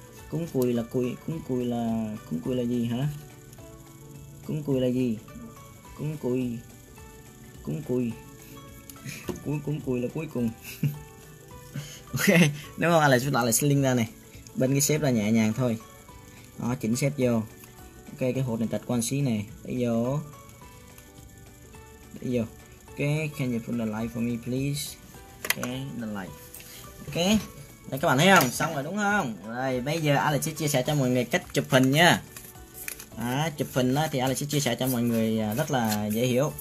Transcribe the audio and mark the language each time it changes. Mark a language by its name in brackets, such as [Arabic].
[Vietnamese] Cúng cùi là gì hả? Cúng cùi là cuối cùng. Ok, nếu không anh lại chúng ta lại sling ra này. Bên cái shape là nhẹ nhàng thôi. Đó, chỉnh shape vô. Ok, cái hộp này tạch quan xí này. Đi vô. [English] Ok, can you put the light for me please? Ok, the light. Ok. [Vietnamese] Đây, các bạn thấy không? Xong rồi đúng không? Rồi, bây giờ Alex sẽ chia sẻ cho mọi người cách chụp hình nha. À, chụp hình á, thì Alex sẽ chia sẻ cho mọi người rất là dễ hiểu.